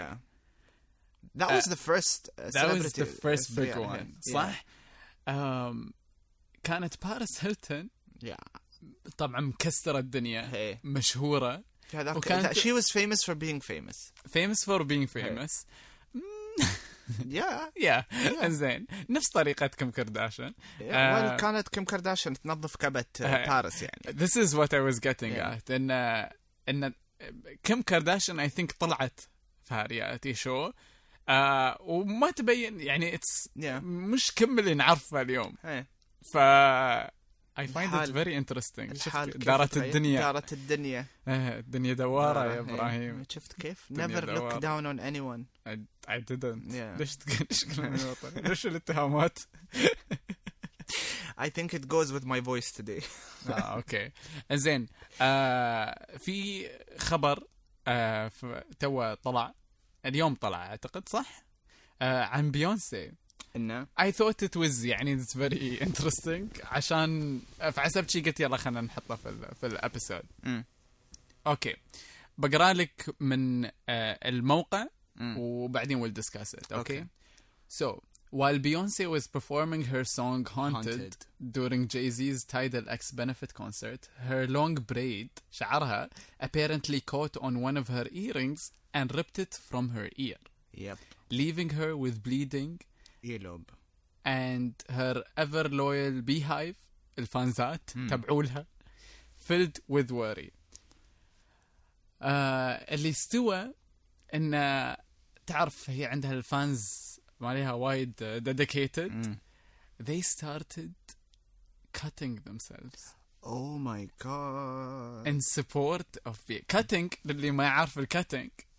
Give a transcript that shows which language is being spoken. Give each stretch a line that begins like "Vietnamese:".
English: Yeah. That was the first celebrity. That was the first big one.
Arabic: صح? كانت Paris Hilton. Yeah. طبعا مكسرة الدنيا hey. مشهورة وكانت...
English: She was famous for being famous Famous for being famous hey. yeah.
Arabic: yeah Yeah انزين نفس طريقة كيم كارداشيان yeah. Well, كانت كيم كارداشيان تنظف كبت باريس يعني
English: This is what I was getting yeah.
Arabic: at إن كيم كارداشيان I think طلعت في هارياتي شو وما تبين يعني it's yeah. مش كمل نعرفها اليوم hey.
English: ف I find it very interesting.
Arabic: الحال دارت الدنيا. دارت الدنيا. الدنيا دوارة يا إبراهيم.
English: شفت كيف؟ Never look down on anyone.
Arabic: I didn't. ليش تقول ليش الاتهامات؟
English: I think it goes with my voice today.
Arabic: أوكي. إنزين. في خبر توه طلع اليوم طلع أعتقد صح عن بيونسي.
English: No. I thought it was يعني it's very interesting عشان فعسبت شي قلت يلا خلنا نحطه في الـ في الابيسود اوكي بقرا لك من الموقع وبعدين we'll discuss it okay so while Beyonce was performing her song Haunted during Jay-Z's Tidal X benefit concert her long braid شعرها apparently caught on one of her earrings and ripped it from her ear yep leaving her with bleeding Earlobe. And her ever loyal beehive, الفانزات تبعولها, filled with worry.
Arabic: اللي استوى إن تعرف هي عندها الفانز ماليها وايد dedicated.
English: They started cutting themselves. Oh my god. In support of the cutting, اللي ما يعرف الكاتنج.